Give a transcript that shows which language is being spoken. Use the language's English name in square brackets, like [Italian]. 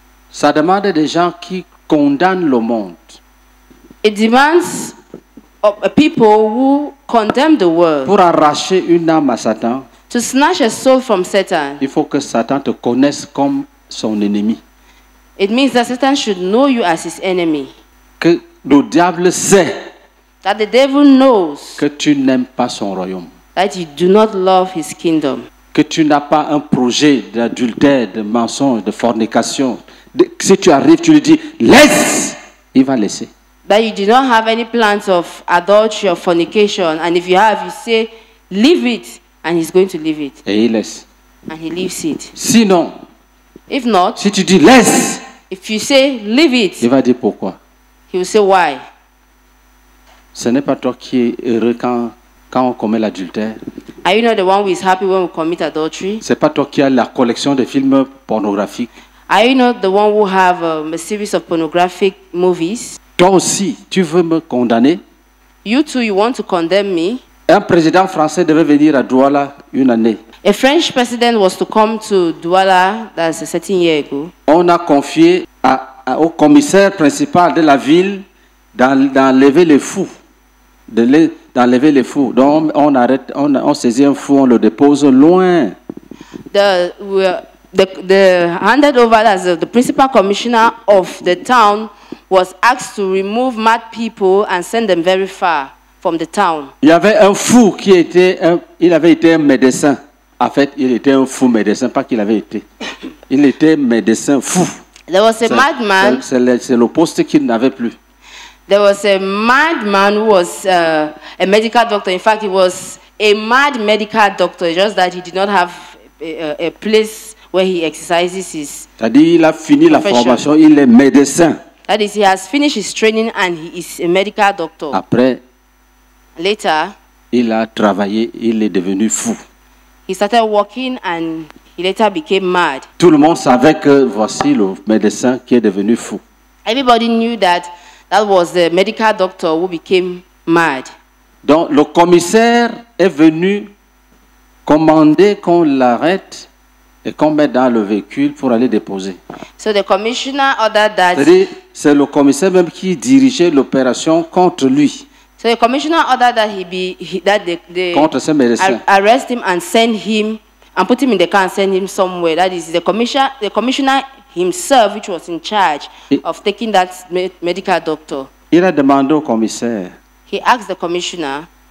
[French] Ça demande des gens qui condamnent le monde. [English] It demands of people who condemn the world. [French] Pour arracher une âme à Satan. [English] To snatch a soul from Satan. [French] Il faut que Satan te connaisse comme son ennemi. [English] It means that Satan should know you as his enemy. [French] Que le diable sait. [English] That the devil knows. [French] Que tu n'aimes pas son royaume. [English] That you do not love his kingdom. [French] Que tu n'as pas un projet d'adultère, de mensonge, de fornication. Si tu arrives, tu lui dis laisse, il va laisser. [English] That you do not have any plans of adultery or fornication, and if you have, you say leave it, and he's going to leave it. [French] Et il laisse. [English] And he leaves it. [French] Sinon. [English] If not, [French] si tu dis laisse, [English] if you say leave it, [French] il va dire pourquoi. [English] He will say why. [French] Ce n'est pas toi qui es heureux quand on commet l'adultère. [English] Are you not the one who is happy when we commit adultery? [French] C'est pas toi qui as la collection de films pornographiques. [English] Are you not the one who have a series of pornographic movies? [French] Toi aussi, tu veux me condamner? [English] You too, you want to condemn me? [French] Un président français devait venir à Douala une année. [English] A French president was to come to Douala, that's a certain year ago. [French] On a confié au commissaire principal de la ville d'enlever les fous. D'enlever les fous. Donc on saisit un fou, on le dépose loin. [English] The handed over as the principal commissioner of the town was asked to remove mad people and send them very far from the town. [French] Il y avait un fou qui était il avait été un médecin. En fait, il était un fou médecin, pas qu'il avait été. Il était médecin fou. [English] There was a madman. [French] C'est le poste qu'il n'avait plus. [English] There was a madman who was a medical doctor. In fact, he was a mad medical doctor, just that he did not have a place where he exercises his. [French] C'est-à-dire, il a fini la formation, il est médecin. [English] That is, he has finished his training and he is a medical doctor. [French] Après, [English] later, [French] il a travaillé, il est devenu fou. [English] He started working and he later became mad. [French] Tout le monde savait que voici le médecin qui est devenu fou. [English] Everybody knew that that was the medical doctor who became mad. [French] Donc le commissaire est venu commander qu'on l'arrête et qu'on mette dans le véhicule pour aller déposer. [English] So the commissioner ordered that. [French] C'est-à-dire, c'est le commissaire même qui dirigeait l'opération contre lui. [English] So the commissioner ordered that arrest him and send him and put him in the car and send him somewhere. That is the commissioner himself, which was in charge of taking that medical doctor. [French] Il a demandé au commissaire. [English] He asked the commissioner.